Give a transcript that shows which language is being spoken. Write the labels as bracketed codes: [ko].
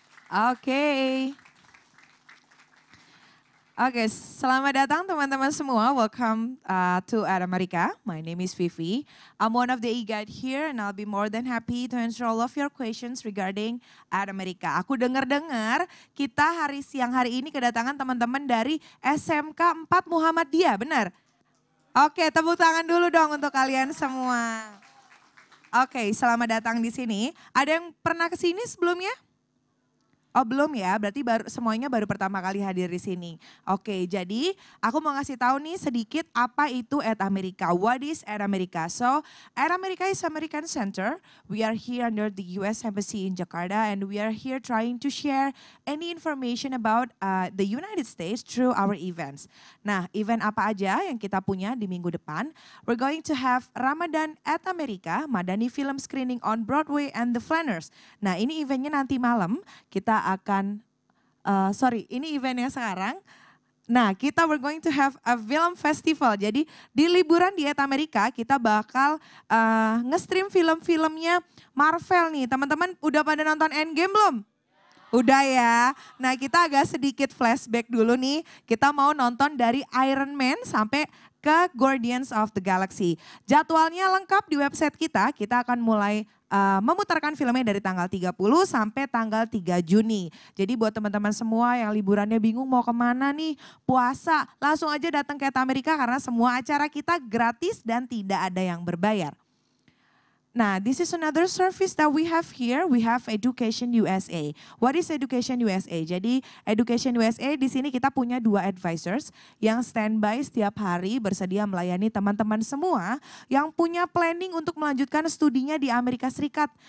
[en] Okay. Okay, [id] selamat datang teman-teman semua. [en] Welcome to America. My name is Vivi. I'm one of the e-guide here and I'll be more than happy to answer all of your questions regarding America. [id] Aku dengar-dengar kita hari siang hari ini kedatangan teman-teman dari SMK 4 Muhammadiyah, benar? Oke, tepuk tangan dulu dong untuk kalian semua. Oke, selamat datang di sini. Ada yang pernah ke sini sebelumnya? Oh, belum ya? Berarti baru, semuanya baru pertama kali hadir di sini. Oke, jadi aku mau ngasih tahu nih sedikit apa itu at America. [en] What is at America? So, at America is American Center. We are here under the US Embassy in Jakarta and we are here trying to share any information about the United States through our events. [id] Nah, event apa aja yang kita punya di minggu depan? [en] We're going to have Ramadan at America, Madani Film Screening on Broadway and the Flanners. [id] Nah, ini eventnya nanti malam. Kita akan ini eventnya sekarang. Nah, kita [en] we're going to have a film festival. [id] Jadi di liburan di Amerika kita bakal nge-stream film-filmnya Marvel nih. Teman-teman udah pada nonton Endgame belum? Udah ya. Nah, kita agak sedikit flashback dulu nih. Kita mau nonton dari Iron Man sampai ke Guardians of the Galaxy. Jadwalnya lengkap di website kita. Kita akan mulai memutarkan filmnya dari tanggal 30 sampai tanggal 3 Juni. Jadi buat teman-teman semua yang liburannya bingung mau kemana nih, puasa, langsung aja datang ke Amerika karena semua acara kita gratis dan tidak ada yang berbayar. [en] Nah, this is another service that we have here. We have Education USA. What is Education USA? [id] Jadi Education USA di sini kita punya dua advisors yang standby setiap hari bersedia melayani teman-teman semua yang punya planning untuk melanjutkan studinya di Amerika Serikat.